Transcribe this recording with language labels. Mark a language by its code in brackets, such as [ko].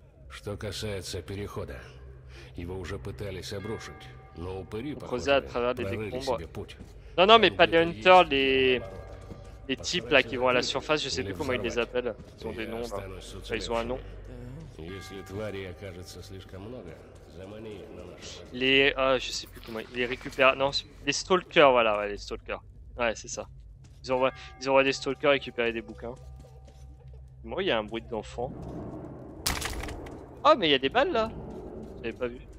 [ru] Что касается перехода, его уже пытались обрушить, но упыри прорыли себе путь. [fr] Non, non, mais pas les hunters, les types là qui vont à la surface, je sais plus comment ils les appellent. Ils ont des noms là. Enfin, ils ont un nom. [ru] Если твари окажется слишком много, замани их на нашу. [fr] Les, je sais plus comment, les récupère. Non, les stalkers, voilà, ouais, les stalkers. Ouais, c'est ça. Ils envoient des stalkers récupérer des bouquins. Moi, il y a un bruit d'enfant. Oh, mais il y a des balles là. J'avais pas vu.